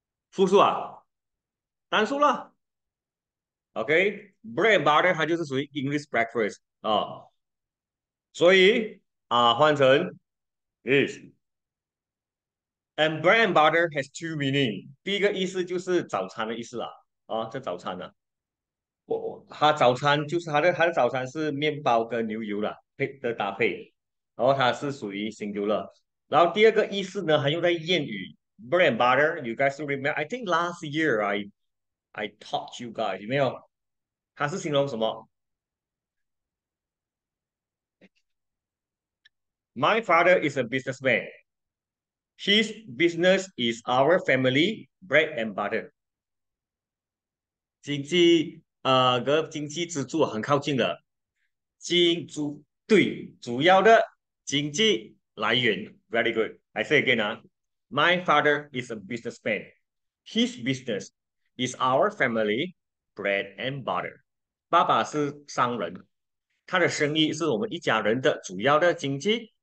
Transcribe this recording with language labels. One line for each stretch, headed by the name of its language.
Chinese: 复数啊，单数了。
English: OK，bread and butter
Chinese: 它就是属于
English: English breakfast
Chinese: 啊，所以啊换成
English: is，and bread and butter has two meaning。
Chinese: 第一个意思就是早餐的意思啊，这早餐呢、它早餐就是它的早餐是面包跟牛油啦，配的搭配，然后它是属于 singular。然后第二个意思呢，还用在谚语，
English: bread and butter，you guys remember？I think last year I taught you guys，
Chinese: 有没有？它是形容什么？
English: My father is a businessman. His business is our family bread and butter.
Chinese: 经济，跟经济支柱很靠近的，金主，对，主要的经济
English: Lai Yuan, very good. I say again, my father is a businessman. His business is our family bread and butter.
Chinese: 爸爸是商人, 他的生意是我们一家人的主要的经济。